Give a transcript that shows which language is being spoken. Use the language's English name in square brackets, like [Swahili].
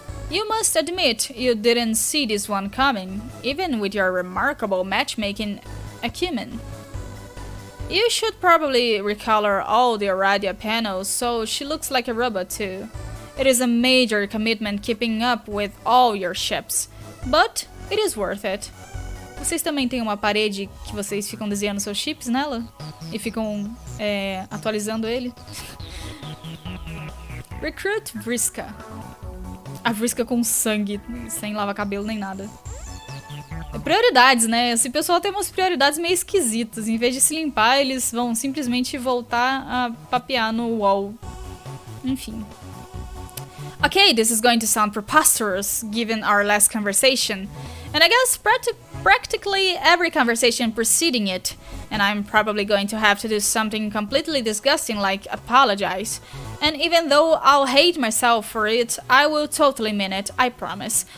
[English] You must admit you didn't see this one coming, even with your remarkable matchmaking acumen. You should probably recolor all the Aradia panels so she looks like a robot too. It is a major commitment keeping up with all your ships, but it is worth it. [Portuguese] Vocês também têm uma parede que vocês ficam desenhando seus chips nela? E ficam atualizando ele? [English] Recruit Vriska. [Portuguese] A Vriska com sangue, sem lavar cabelo nem nada. Prioridades, né? Esse pessoal tem umas prioridades meio esquisitas. Em vez de se limpar, eles vão simplesmente voltar a papear no wall. Enfim. [English] Ok, this is going to sound preposterous, given our last conversation. And I guess practically every conversation preceding it. And I'm probably going to have to do something completely disgusting like apologize. And even though I'll hate myself for it, I will totally mean it, I promise.